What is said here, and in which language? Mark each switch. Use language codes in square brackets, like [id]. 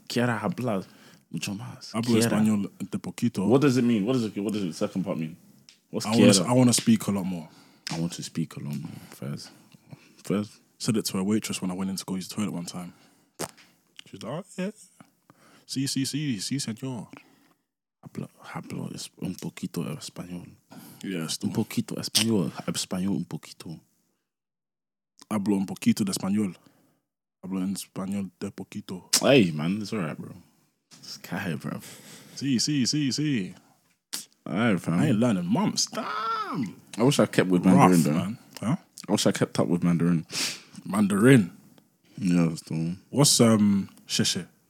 [es] Quiero hablar mucho más. Hablo español de poquito. [en] What does it mean? What does the second part mean? What's quiero? I want to speak a lot more. I want to speak a lot more. Fez. Said it to a waitress when I went in to go use the toilet one time. She's like, oh, yeah. [es] Si, señor. Hablo un poquito español. Yes. Un poquito español. Español un poquito. Hablo un poquito de español. Hablo en español de poquito. [en] Hey, man. It's all right, bro. This guy here, bro. See. All right, fam. I ain't learning months. Damn. I wish I kept with Mandarin, rough, though. Man. Huh? I wish I kept up with Mandarin. Mandarin? Yeah, that's the one. What's Shishi?